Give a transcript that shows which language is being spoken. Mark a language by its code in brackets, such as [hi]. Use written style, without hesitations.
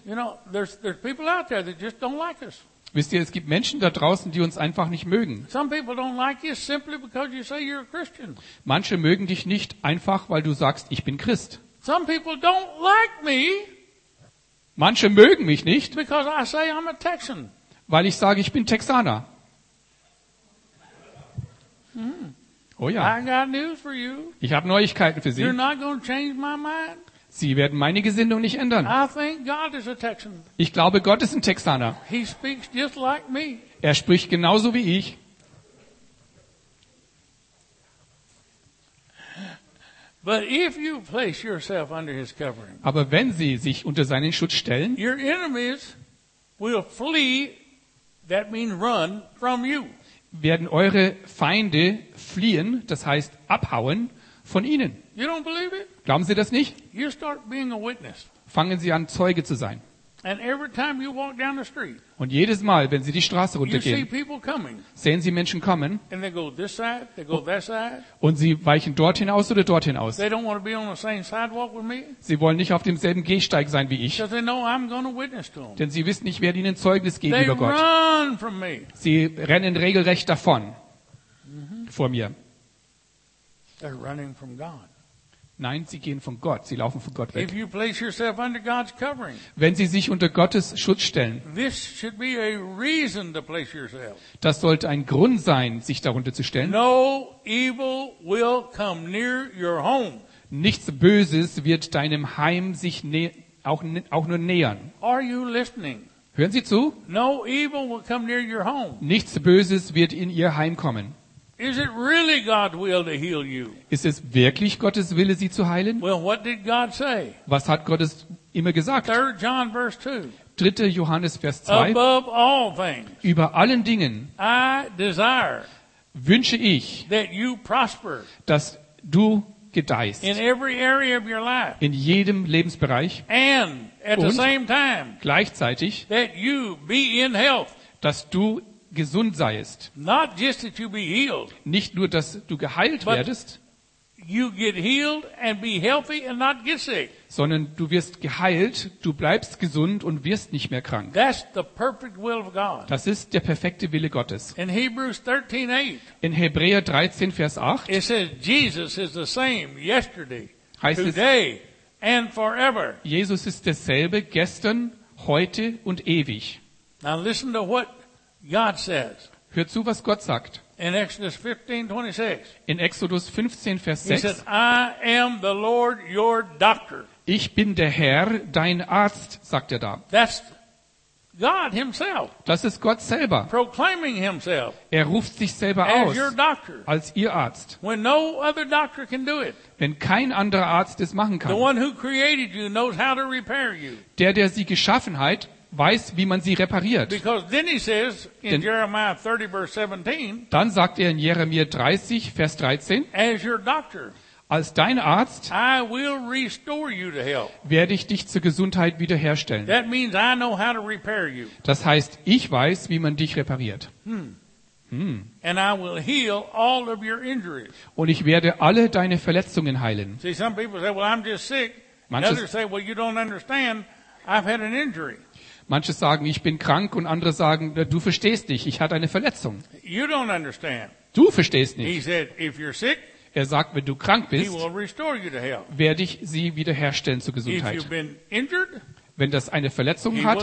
[en] you know, there's people out there that just don't like us. [de] Wisst ihr, es gibt Menschen da draußen, die uns einfach nicht mögen. [en] Some people don't like you simply because you say you're a Christian. [de] Manche mögen dich nicht einfach, weil du sagst, ich bin Christ. [en] Some people don't like me. [de] Manche mögen mich nicht. [en] Because I say I'm a Texan. [de] Weil ich sage, ich bin Texaner. Oh ja. [en] I got news for you. [de] Ich habe Neuigkeiten für Sie. [en] You're not gonna change my mind. [de] Sie werden meine Gesinnung nicht ändern. [en] I think God is a Texan. [de] Ich glaube, Gott ist ein Texaner. [en] He speaks just like me. [de] Er spricht genauso wie ich. [en] But if you place yourself under his covering, [de] aber wenn Sie sich unter seinen Schutz stellen, [en] your enemies will flee, that means run from you. [de] Werden eure Feinde fliehen, das heißt abhauen von ihnen. [en] You don't believe it? [de] Glauben Sie das nicht? [en] You start being a witness. [de] Fangen Sie an, Zeuge zu sein. [en] And every time you walk down the street, [de] und jedes Mal, wenn Sie die Straße runtergehen, [en] you see people coming, [de] sehen Sie Menschen kommen. [en] And they go this side, they go that side. [de] Und Sie weichen dorthin aus oder dorthin aus. [en] They don't want to be on the same sidewalk with me. [de] Sie wollen nicht auf demselben Gehsteig sein wie ich. [en] Because they know I'm going to witness to them. [de] Denn Sie wissen, ich werde Ihnen Zeugnis geben [en] they [de] über Gott. [en] Run from me. [de] Sie rennen regelrecht davon vor mir. [en] They're running from God. [de] Nein, sie gehen von Gott. Sie laufen von Gott weg. [en] If you place yourself under God's covering, [de] wenn Sie sich unter Gottes Schutz stellen, [en] this should be a reason to place yourself. [de] Das sollte ein Grund sein, sich darunter zu stellen. [en] No evil will come near your home. [de] Nichts Böses wird deinem Heim sich auch nur nähern. [en] Are you listening? [de] Hören Sie zu. [en] No evil will come near your home. [de] Nichts Böses wird in Ihr Heim kommen. [en] Is it really God's will to heal you? [de] Ist es wirklich Gottes Wille, Sie zu heilen? [en] Well, what did God say? [de] Was hat Gott immer gesagt? [en] 3 John verse 2. [de] 3. Johannes Vers 2. [en] Above all things. [de] Über allen Dingen. [en] I desire. [de] Wünsche ich. [en] That you prosper. [de] Dass du gedeihst. [en] In every area of your life. [de] In jedem Lebensbereich. [en] And at [de] und [en] the same time. [de] Gleichzeitig. [en] That you be in health. [de] Dass du gesund seiest. [en] Not just that you be healed, [de] nicht nur, dass du geheilt werdest, [en] you get healed and be healthy and not get sick. [de] Sondern du wirst geheilt, du bleibst gesund und wirst nicht mehr krank. [en] That's the perfect will of God. [de] Das ist der perfekte Wille Gottes. [en] In Hebrews 13, 8, [de] in Hebräer 13, Vers 8 [en] it says, Jesus is the same yesterday, [de] heißt [en] today, [de] es, [en] and forever. [de] Jesus ist dasselbe gestern, heute und ewig. [en] Now listen to what God says. [de] Hör zu, was Gott sagt. [en] In Exodus 15, 26. [de] In Exodus 15, Vers 6. [en] He says, I am the Lord, your doctor. [de] Ich bin der Herr, dein Arzt, sagt er da. [en] That's God himself. [de] Das ist Gott selber. [en] Proclaiming himself. [de] Er ruft sich selber [en] as [de] aus. [en] Your doctor. [de] Als ihr Arzt. [en] When no other doctor can do it. [de] Wenn kein anderer Arzt es machen kann. [en] The one who created you knows how to repair you. [de] Der sie geschaffen hat, weiß, wie man sie repariert. [en] Because then he says in Jeremiah 30, verse 17, [de] dann sagt er in Jeremia 30, Vers 13, [en] as your doctor, [de] als dein Arzt [en] I will restore you to health. [de] Werde ich dich zur Gesundheit wiederherstellen. [en] That means I know how to repair you. [de] Das heißt, ich weiß, wie man dich repariert. [en] And I will heal all of your injuries. [de] Und ich werde alle deine Verletzungen heilen. [en] See, some people say, well, I'm just sick. [de] Manches [en] others say, well, you don't understand, I've had an injury. [de] Manche sagen, ich bin krank und andere sagen, du verstehst nicht, ich hatte eine Verletzung. [en] You don't understand. [de] Du verstehst nicht. [en] He said, if you're sick, [de] er sagt, wenn du krank bist, [en] he will restore you to health. [de] Werde ich sie wiederherstellen zur Gesundheit. [en] If you've been injured, [de] wenn das eine Verletzung [en] he [de] hat,